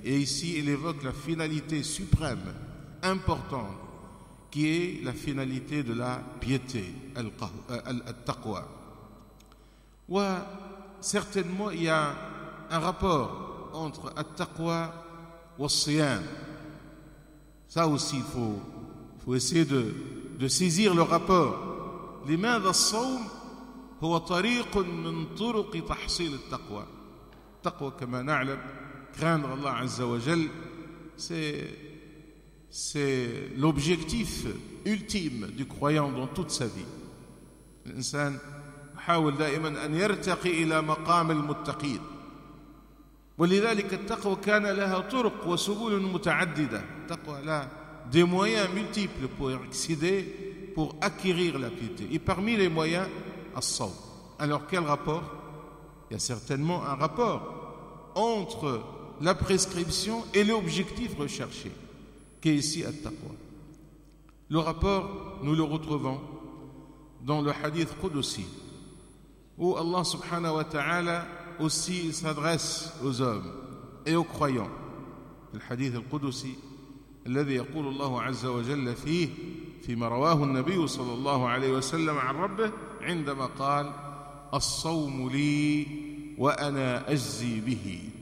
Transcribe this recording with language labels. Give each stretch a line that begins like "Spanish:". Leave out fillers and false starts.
French: Et ici, il évoque la finalité suprême, importante, qui est la finalité de la piété, al-taqwa. Ouais, certainement, il y a un rapport entre al-taqwa et al-siyam. Ça aussi, il faut essayer de saisir le rapport. Les mains de saoum,
Arabic: هو طريق من طرق تحصيل التقوى. التقوى كما نعلم
French: craindre Allah
Arabic: عز وجل
French: c'est l'objectif ultime du croyant dans toute sa vie.
Arabic: L'insan حاول دائما أن يرتقي إلى مقام المتقين. ولذلك التقوى كان لها طرق وسبل متعددة. التقوى لها
French: des moyens multiples pour accéder, pour acquérir la piété. Et parmi les moyens, الصوم. Alors quel rapport? Il y a certainement un rapport entre la prescription et l'objectif recherché, qui est ici at-taqwa. Le rapport, nous le retrouvons dans le hadith Qudsi, où Allah subhanahu wa ta'ala aussi s'adresse aux hommes et aux croyants. Le hadith Qudsi,
Arabic: الذي يقول الله عز وجل فيه فيما رواه النبي صلى الله عليه وسلم عن ربه عندما قال الصوم لي وأنا أجزي به.